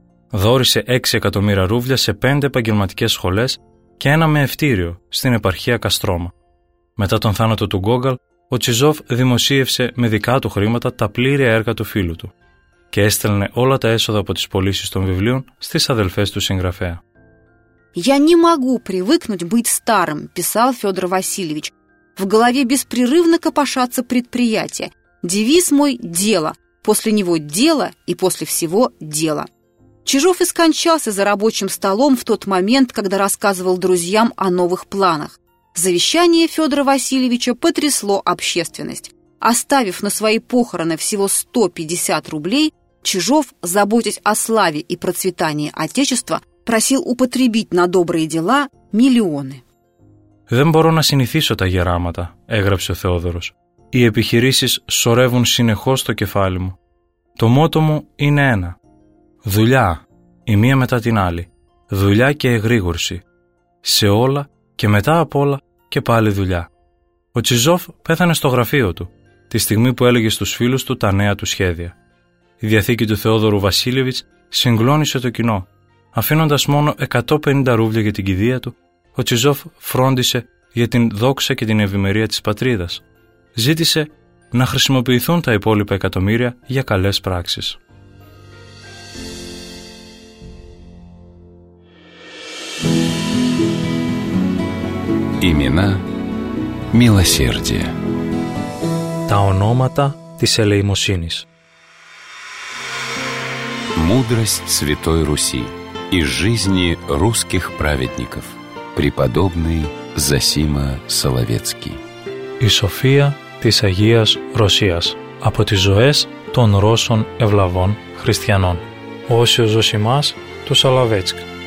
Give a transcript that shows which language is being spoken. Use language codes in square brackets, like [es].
[el] Δώρισε 6 εκατομμύρια ρούβλια σε 5 επαγγελματικές σχολές και ένα μαιευτήριο στην επαρχία Καστρώμα. Μετά τον θάνατο του Γκόγκαλ, ο Τσιζόφ δημοσίευσε με δικά του χρήματα τα πλήρια έργα του φίλου του και έστελνε όλα τα έσοδα από τις πωλήσεις των βιβλίων στις αδελφές του συγγραφέα. [ru] «Я не могу привыкнуть быть старым», – писал Федор Васильевич. «В голове беспрерывно копошатся предприятия. Девиз мой – дело. После него – дело, и после всего – дело». Чижов и скончался за рабочим столом в тот момент, когда рассказывал друзьям о новых планах. Завещание Федора Васильевича потрясло общественность. Оставив на свои похороны всего 150 рублей, Чижов, заботясь о славе и процветании Отечества, просил употребить на добрые дела миллионы. [el] «Δεν μπορώ να συνηθίσω τα γεράματα», έγραψε ο Θεόδωρος. «Οι επιχειρήσεις σωρεύουν συνεχώς στο κεφάλι μου. Το μότο μου είναι ένα. Δουλειά. η μία μετά την άλλη, δουλειά και εγρήγορση, σε όλα και μετά απ' όλα και πάλι δουλειά. Ο Τσιζόφ πέθανε στο γραφείο του, τη στιγμή που έλεγε στους φίλους του τα νέα του σχέδια. Η διαθήκη του Θεόδωρου Βασίλεβιτς συγκλώνησε το κοινό. Αφήνοντας μόνο 150 ρούβλια για την κηδεία του, ο Τσιζόφ φρόντισε για την δόξα και την ευημερία της πατρίδας. Ζήτησε να χρησιμοποιηθούν τα υπόλοιπα εκατομμύρια για καλές πράξεις. [ru] Имена милосердия. [el] Τα ονόματα της ελεημοσύνης. [ru] Мудрость Святой Руси из жизни русских праведников. Преподобный Зосима Соловецкий. [el] Η σοφία της Αγίας Ρωσίας από τις ζωές των Ρώσων ευλαβών χριστιανών. Όσιος Ζωσιμάς του Σολοβέτσκ.